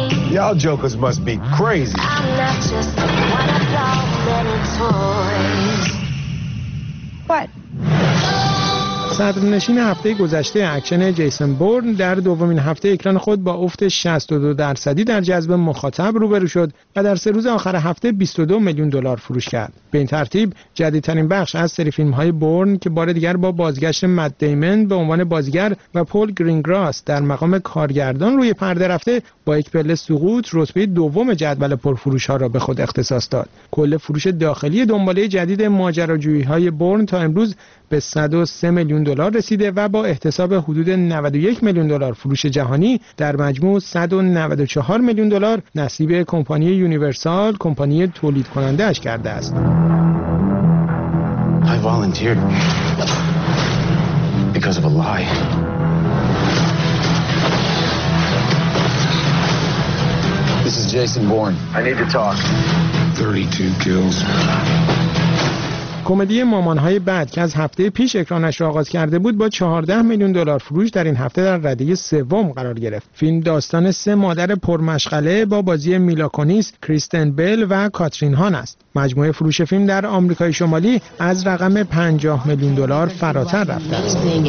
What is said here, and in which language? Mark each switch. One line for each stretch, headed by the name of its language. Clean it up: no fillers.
English: Y'all jokers must be crazy. I'm not just one of your toys. What?
Persian: صدرنشین هفته گذشته اکشن جیسون بورن در دومین هفته اکران خود با افت 62% در جذب مخاطب روبرو شد و در 3 روز آخر هفته 22 میلیون دلار فروش کرد. به این ترتیب جدیدترین بخش از سری فیلم‌های بورن که بار دیگر با بازگشت مت دیمن به عنوان بازیگر و پول گرینگراس در مقام کارگردان روی پرده رفته با یک پله سقوط رتبه دوم جدول پرفروش‌ها را به خود اختصاص داد. کل فروش داخلی دنباله جدید ماجراجویی‌های بورن تا امروز به 103 میلیون دلار رسیده و با احتساب حدود 91 میلیون دلار فروش جهانی در مجموع 194 میلیون دلار نصیب کمپانی یونیورسال، کمپانی تولید کننده اش کرده است.
English: I volunteered because of a lie. This is Jason Bourne. I need to talk. 32 kills.
Persian: کمدی مامان‌های بعد که از هفته پیش اکرانش را آغاز کرده بود با 14 میلیون دلار فروش در این هفته در رده سوم قرار گرفت. فیلم داستان 3 مادر پرمشغله با بازی میلا کونیس، کریستن بیل و کاترین هان است. مجموعه فروش فیلم در آمریکای شمالی از رقم 50 میلیون دلار فراتر رفته است.